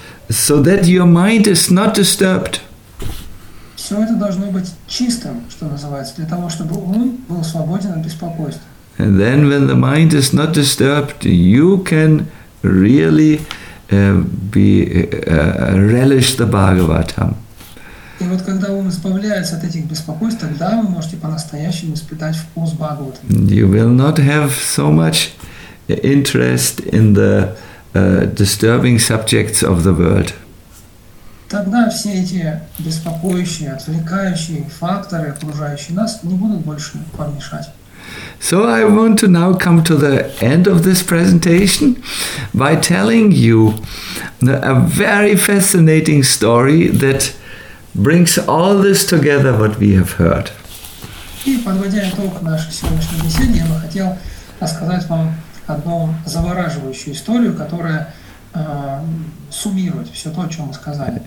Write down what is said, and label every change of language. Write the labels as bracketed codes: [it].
[en] So that your mind is not disturbed. [ru] Все это должно быть чистым, что называется, для того, чтобы ум был свободен от беспокойства. [en] And then when the mind is not disturbed, you can really relish the Bhagavatam. [ru] И вот когда ум избавляется от этих беспокойств, тогда вы можете по-настоящему испытать вкус Бхагаватам. [en] You will not have so much interest in the disturbing subjects of the world. [ru] Тогда все эти беспокоящие, отвлекающие факторы, окружающие нас, не будут больше помешать. [en] So I want to now come to the end of this presentation by telling you a very fascinating story that brings all this together, what we have heard. [ru] И подводя итог нашей сегодняшней беседы, я бы хотел рассказать вам одну завораживающую историю, которая суммирует все то, о чем мы сказали.